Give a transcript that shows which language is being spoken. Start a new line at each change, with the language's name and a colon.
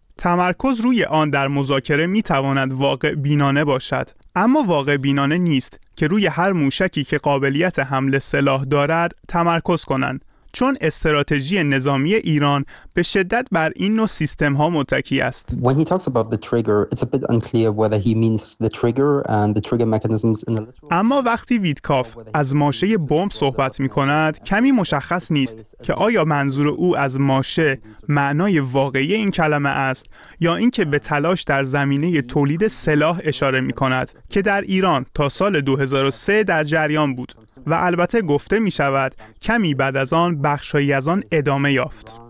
Persian: تمرکز روی آن در مذاکره می‌تواند واقع بینانه باشد، اما واقع بینانه نیست که روی هر موشکی که قابلیت حمل سلاح دارد تمرکز کنند، چون استراتژی نظامی ایران به شدت بر این نوع سیستم ها متکی است.
English: When he talks about the trigger, it's a bit unclear whether he means the trigger and the trigger mechanisms in a literal.
Persian: اما وقتی ویتکاف از ماشه بمب صحبت می کند، کمی مشخص نیست که آیا منظور او از ماشه معنای واقعی این کلمه است یا اینکه به تلاش در زمینه تولید سلاح اشاره می کند که در ایران تا سال 2003 در جریان بود و البته گفته می شود کمی بعد از آن بخشایی از آن ادامه یافت.